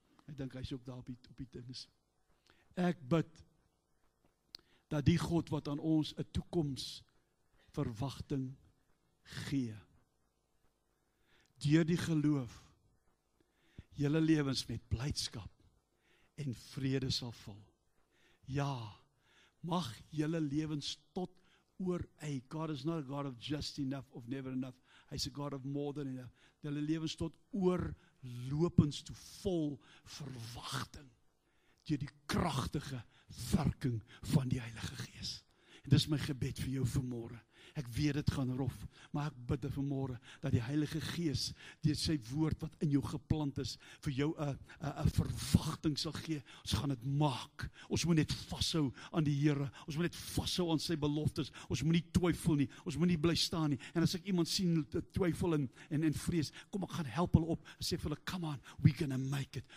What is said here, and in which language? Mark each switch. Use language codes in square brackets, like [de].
[af] Ek dink hy is ook daar op die dinges. Ek bid dat die God wat aan ons 'n toekoms verwagting gee, deur die geloof julle lewens met blydskap en vrede sal vul. Ja, mag julle lewens tot oor ei. [en] God is not a God of just enough of never enough. [af] Hy's [en] a God of more than enough. [af] Julle lewens tot oor lopens toe vol verwagting deur die kragtige werking van die Heilige Gees. En dis my gebed vir jou vanmôre. Ek weet dit gaan rof, maar ek bid vanmôre dat die Heilige Gees deur sy woord wat in jou geplant is vir jou 'n verwagting sal gee. Ons gaan dit maak. Ons moet net vashou aan die Here. Ons moet net vashou aan sy beloftes. Ons moet nie twyfel nie. Ons moet nie bly staan nie. En as ek iemand sien twyfel en vrees, kom ek gaan help hulle op. Ek sê vir hulle, [en] "Come on, we're going to make it.